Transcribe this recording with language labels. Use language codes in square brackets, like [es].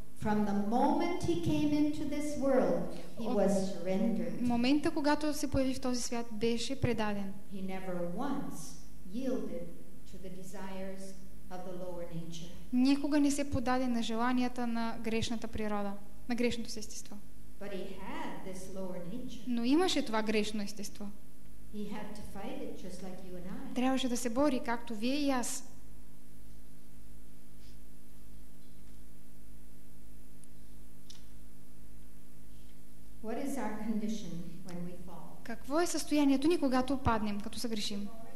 [en] From the moment he came into this world, he was surrendered. [bg] Момента, когато се появи в този свят, беше предаден. [en] He never once yielded to the desires of the lower nature. [bg] Никога не се подаде на желанията на грешната природа, на грешното естество. [en] But he had this lower nature. [bg] Но имаше това грешно естество. [en] He had to fight it just like you and I. [bg] Трябваше да се бори, както вие и аз. [en] What is our condition when we fall? [bg] Какво е състоянието ни, когато паднем, като съгрешим?